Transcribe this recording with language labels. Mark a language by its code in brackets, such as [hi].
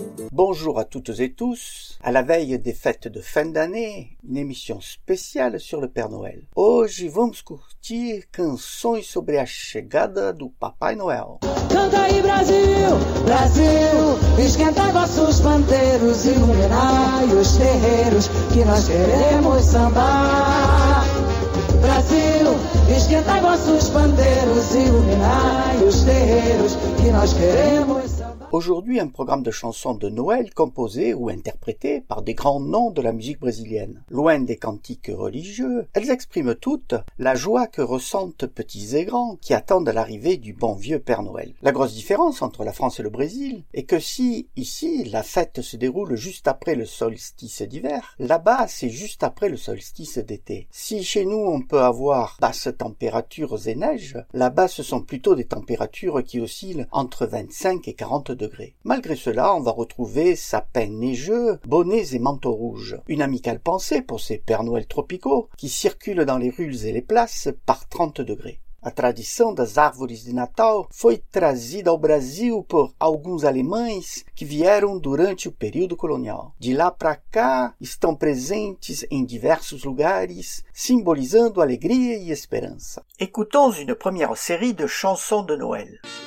[fr] Bonjour à toutes et tous, à la veille des fêtes de fin d'année, une émission spéciale sur le Père Noël. [pt] Hoje vamos curtir canções sobre a chegada do Papai Noel. Canta aí Brasil, Brasil, esquenta vossos panteiros, iluminai os terreiros que nós queremos sambar. Brasil, esquenta vossos panteiros, iluminai os terreiros que nós queremos. [fr] Aujourd'hui, un programme de chansons de Noël composé ou interprété par des grands noms de la musique brésilienne. Loin des cantiques religieux, elles expriment toutes la joie que ressentent petits et grands qui attendent l'arrivée du bon vieux Père Noël. La grosse différence entre la France et le Brésil est que si, ici, la fête se déroule juste après le solstice d'hiver, là-bas, c'est juste après le solstice d'été. Si chez nous, on peut avoir basses températures et neige, là-bas, ce sont plutôt des températures qui oscillent entre 25 et 40 degrés. Malgré cela, on va retrouver sapins neigeux, bonnets et manteaux rouges. Une amicale pensée pour ces Pères Noël tropicaux qui circulent dans les rues et les places par 30 degrés. [pt] A tradição das árvores de Natal foi trazida ao Brasil por alguns alemães que vieram durante o período colonial. De lá para cá, estão presentes em diversos lugares, simbolizando alegria e esperança. [fr] Écoutons une première série de chansons de Noël.